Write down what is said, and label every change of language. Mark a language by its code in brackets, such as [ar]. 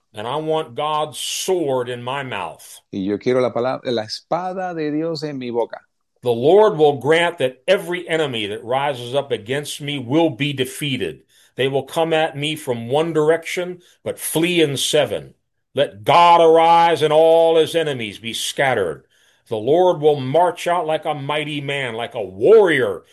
[en] and I want God's sword in my mouth. [es] Y yo quiero la espada de Dios en mi boca. [en] The Lord will grant that every enemy that rises up against me will be defeated. They will come at me from one direction, but flee in seven. Let God arise and all his enemies be scattered. The Lord will march out like a mighty man, like a warrior.